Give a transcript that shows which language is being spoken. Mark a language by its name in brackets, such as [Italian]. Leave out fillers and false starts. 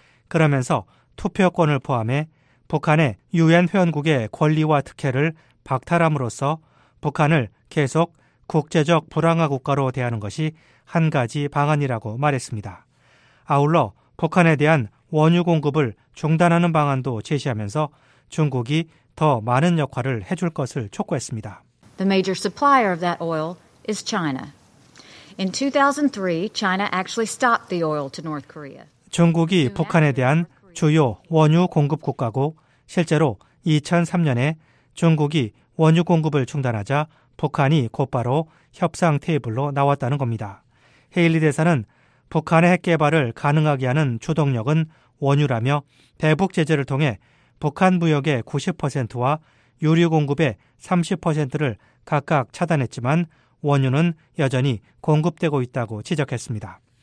[Korean] 그러면서 투표권을 포함해 북한의 유엔 회원국의 권리와 특혜를 박탈함으로써 북한을 계속 국제적 불황화 국가로 대하는 것이 한 가지 방안이라고 말했습니다. 아울러 북한에 대한 원유 공급을 중단하는 방안도 제시하면서 중국이 더 많은 역할을 해줄 것을 촉구했습니다. [English] The major supplier of that oil is China. In 2003, China actually stopped the oil to North Korea. [Korean] 중국이 북한에 대한 주요 원유 공급 국가고 실제로 2003년에 중국이 원유 공급을 중단하자 북한이 곧바로 협상 테이블로 나왔다는 겁니다. 헤일리 대사는 북한의 핵 개발을 가능하게 하는 주동력은 원유라며 대북 제재를 통해 북한 무역의 90%와 유류 공급의 30%를 각각 차단했지만 원유는 여전히 공급되고 있다고 지적했습니다.